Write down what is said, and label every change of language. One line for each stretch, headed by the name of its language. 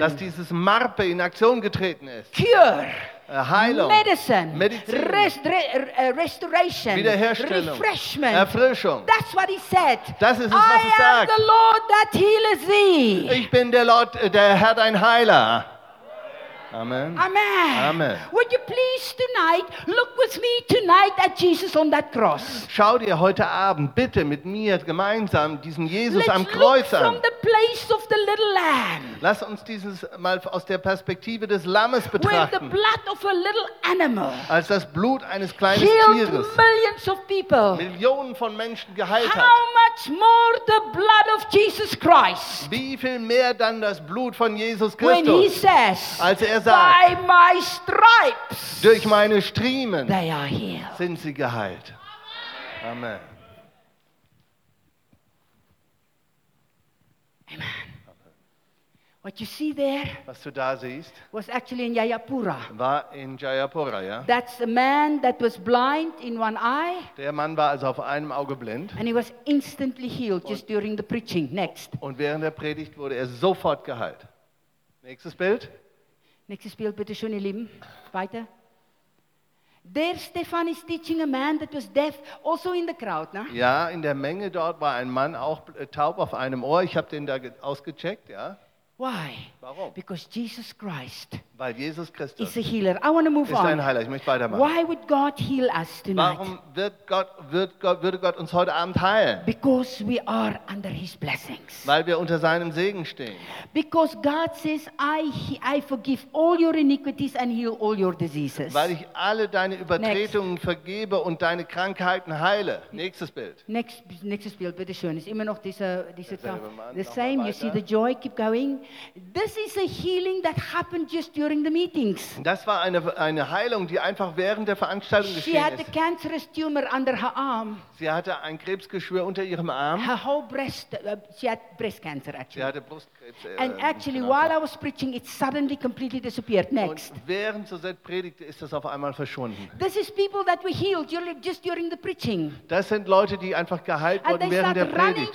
German: Dass dieses Marpe in Aktion getreten ist.
English: Cure.
German: Heilung, Medizin,
English: Restoration,
German: Wiederherstellung,
English: Refreshment,
German: Erfrischung.
English: That's what he said.
German: Das ist es, was
English: I
German: es sagt.
English: I am the Lord that healeth thee.
German: Ich bin der Lord, der Herr, dein Heiler.
English: Amen. Amen. Amen. Would you please tonight look with me tonight at Jesus on that cross?
German: Schau dir heute Abend bitte mit mir gemeinsam diesen Jesus am Kreuz an.
English: From the place of the little lamb.
German: Lass uns dieses mal aus der Perspektive des Lammes betrachten.
English: With the blood of a little animal.
German: Als das Blut eines kleinen Tieres.
English: Millions of people.
German: Millionen von Menschen geheilt hat.
English: How much more the blood of Jesus Christ?
German: Wie viel mehr dann das Blut von Jesus Christus?
English: When he says,
German: als er sagt,
English: by my stripes,
German: durch meine Striemen,
English: they are healed.
German: Sind sie geheilt. Amen.
English: Amen. Amen. What you see there,
German: was du da siehst,
English: was actually in Jayapura.
German: War in Jayapura, ja.
English: That's the man that was blind in one eye.
German: Der Mann war also auf einem Auge blind.
English: And he was instantly healed just during the preaching. Next.
German: Und während der Predigt wurde er sofort geheilt. Nächstes Bild. Nächstes Bild, bitte schön, ihr Lieben. Weiter.
English: There Stefan is teaching a man that was deaf also in the crowd, ne?
German: Ja, in der Menge dort war ein Mann auch taub auf einem Ohr. Ich habe den da ausgecheckt, ja.
English: Why?
German: Warum?
English: Because Jesus Christ.
German: Weil Jesus Christus.
English: Is a healer. I want to move
German: on. Ist ein Heiler. Ich möchte weitermachen.
English: Why would God heal us tonight?
German: Warum würde Gott uns heute Abend heilen?
English: Because we are under His blessings.
German: Weil wir unter seinem Segen stehen.
English: Because God says, I forgive all your iniquities and heal all your diseases.
German: Weil ich alle deine Übertretungen
English: Next.
German: Vergebe und deine Krankheiten heile. Nächstes Bild. Nächstes Bild, bitte schön. Ist immer noch diese Mann,
English: the same.
German: Weiter.
English: You see the joy keep going. This is a healing that happened just during the meetings.
German: Das war eine Heilung, die einfach während der Veranstaltung geschehen ist.
English: She had a cancerous tumor under her arm.
German: Sie hatte ein Krebsgeschwür unter ihrem Arm.
English: Her whole breast, she had breast cancer actually.
German: Sie hatte Brustkrebs.
English: And actually, while I was preaching, it suddenly completely disappeared. Next.
German: Und während so seit Predigt ist das auf einmal verschwunden.
English: This is people that were healed just during the preaching.
German: Das sind Leute, die einfach geheilt wurden während der Predigt.